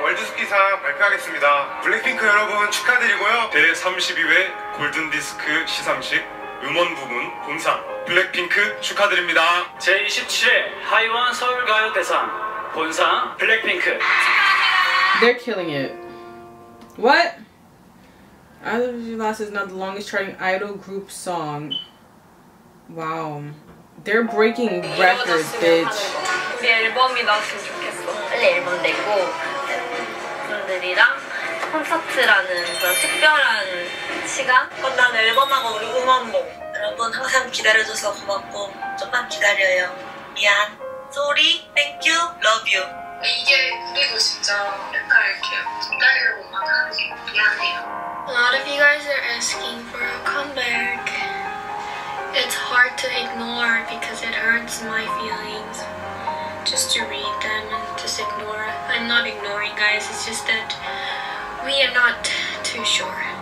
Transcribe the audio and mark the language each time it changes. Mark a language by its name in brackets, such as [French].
[Korean] 월드스키상 발표하겠습니다. 블랙핑크 여러분 축하드리고요. 제32회 골든디스크 시상식 음원 부분 공상 블랙핑크 축하드립니다. 제27회 하이원 서울 가요 대상 본상 블랙핑크. [English] They're killing it. What? As of you last is not the longest charting idol group song. Wow. They're breaking records, bitch. [Korean] 우리 앨범이 나왔으면 좋겠어. 빨리 앨범 내고 팬분들이랑 콘서트라는 그런 특별한 시간. 그럼 난 앨범하고 우리 음원복. 여러분 항상 기다려줘서 고맙고 좀만 기다려요. 미안. [English] Sorry. Thank you. Love you. [Korean] 이게 그리고 진짜 약간 이렇게 기다리고만 하는 게 미안해요. [English] A lot of you guys are asking for a comeback. It's hard to ignore because it hurts my feelings just to read them and just ignore. I'm not ignoring guys, it's just that we are not too sure.